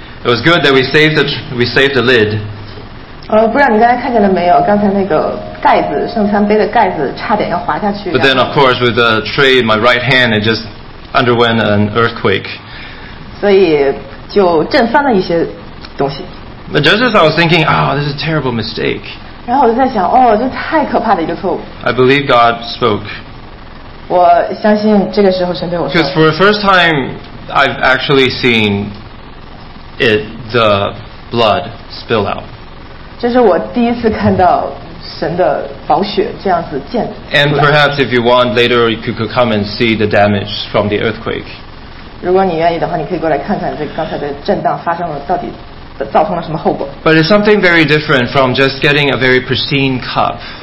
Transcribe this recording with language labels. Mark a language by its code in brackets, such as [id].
[en] It was good that we saved the lid. [zh] 不然你刚才看见了没有？刚才那个盖子，圣餐杯的盖子差点要滑下去。 [en] But then, of course, with the tray in my right hand, it just underwent an earthquake. [zh] 所以就震翻了一些东西。 [en] But just as I was thinking, oh, this is a terrible mistake. [zh] 然后我就在想，哦，这太可怕的一个错误。 [en] I believe God spoke. [zh] 我相信这个时候神对我说。 [en] Because for the first time, I've actually seen it, the blood spill out. [zh] 这是我第一次看到神的宝血这样子溅出来。 [en] And perhaps if you want later, you could come and see the damage from the earthquake. [zh] 如果你愿意的话，你可以过来看看这刚才的震荡发生了到底造成了什么后果。 [en] But it's something very different from just getting a very pristine cup.